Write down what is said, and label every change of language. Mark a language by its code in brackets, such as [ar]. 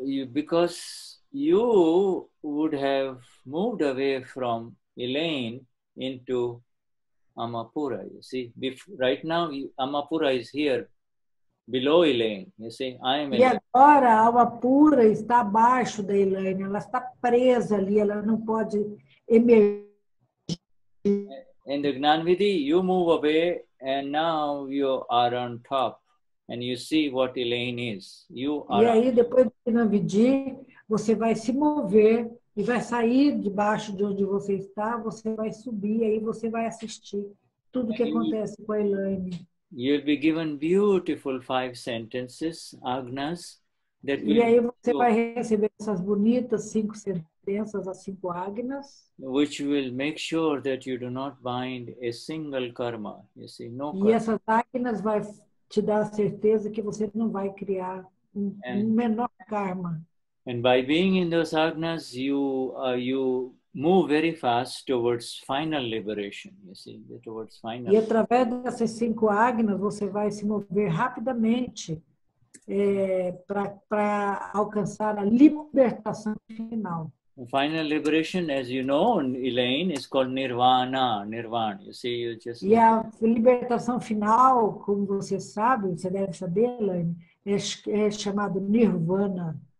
[en] Because you would have moved away from Elaine into Amapura, you see. Right now, Amapura is here, below Elaine, you see. I am Elaine. [pt] E agora, Amapura está abaixo da Elaine, ela está presa ali, ela não pode emergir. [en] In the Gnanvidhi, you move away, and now you are on top, and you see what Elaine is. You are. [pt] E aí, depois do Gnanvidhi, você vai se mover e vai sair debaixo de onde você está, você vai subir, aí você vai assistir tudo que acontece com a Elaine. [en] You'll be given beautiful five sentences, Agnes. That [pt] e aí você vai receber essas bonitas cinco sentenças, as cinco Agnes. [en] Which will make sure that you do not bind a single karma. You see, no karma. [pt] E essas Agnes vai te dar a certeza que você não vai criar um menor karma. [en] And by being in those agnas, you move very fast towards final liberation. You see, towards final. [pt] E através dessas cinco agnas, você vai se mover rapidamente para alcançar a libertação final. [en] Final liberation, as you know, Elaine, is called nirvana. Nirvana. You see, you just. [pt] E a libertação final, como você sabe, você deve saber, Elaine, é chamado nirvana.